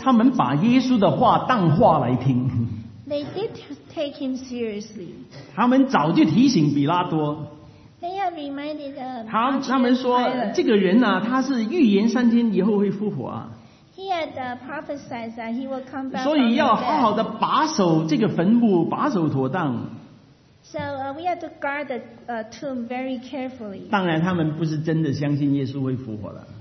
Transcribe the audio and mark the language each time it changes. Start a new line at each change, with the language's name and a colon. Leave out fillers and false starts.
Chinese: 他们把耶稣的话当话来听。
English: They did take him seriously.
Chinese: 他们早就提醒比拉多。
English: They have reminded him.
Chinese: 他们说这个人啊，他是预言三天以后会复活啊。
English: He had prophesied that he will come back.
Chinese: 所以要好好的把守这个坟墓，把守妥当。
English: So we have to guard the tomb very carefully.
Chinese: 当然，他们不是真的相信耶稣会复活了。